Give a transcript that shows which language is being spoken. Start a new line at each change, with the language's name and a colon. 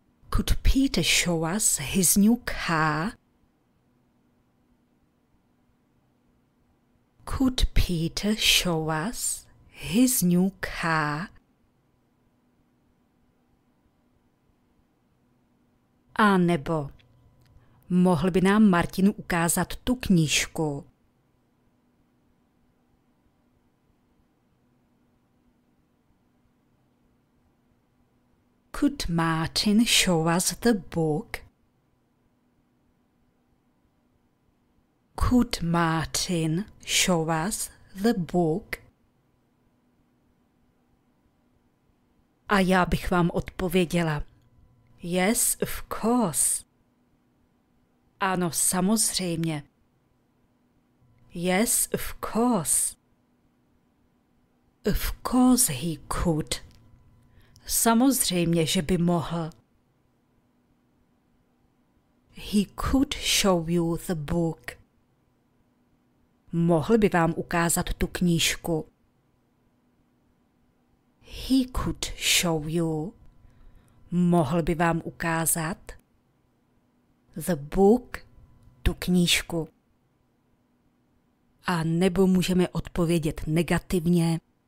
English: Could Peter show us his new car? Could Peter show us his new car?
Czech: A nebo mohl by nám Martin ukázat tu knížku?
English: Could Martin show us the book? Could Martin show us the book?
Czech: A já bych vám odpověděla.
English: Yes, of course.
Czech: Ano, samozřejmě.
English: Yes, of course. Of course he could.
Czech: Samozřejmě, že by mohl.
English: He could show you the book.
Czech: Mohl by vám ukázat tu knížku.
English: He could show you.
Czech: Mohl by vám ukázat.
English: The book,
Czech: tu knížku. A nebo můžeme odpovědět negativně.